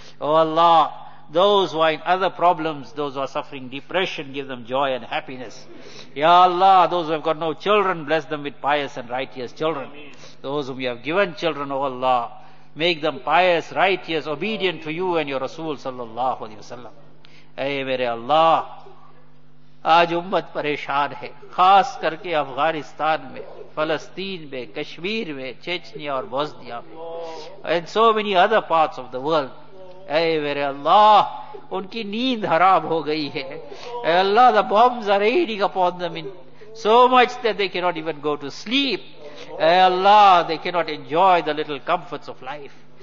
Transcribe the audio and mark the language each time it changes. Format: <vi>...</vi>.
<en>Oh Allah, those who are in other problems, those who are suffering depression, give them joy and happiness. Ya Allah, those who have got no children, bless them with pious and righteous children. Those whom you have given children, oh Allah, make them pious, righteous, obedient to you and your Rasul sallallahu alayhi wa sallam.</en> <ur>Ay mere Allah, آج امت پریشان ہے, خاص کر کے افغانستان میں, فلسطین میں, کشمیر میں, چیچنیا اور بوسنیا میں,</ur> <en>and so many other parts of the world.</en> <ur>اے میرے اللہ, ان کی نیند حرام ہو گئی ہے.</ur> <en>اے Allah, the bombs are raining upon them in so much that they cannot even go to sleep. اے Allah, they cannot enjoy the little comforts of life.</en>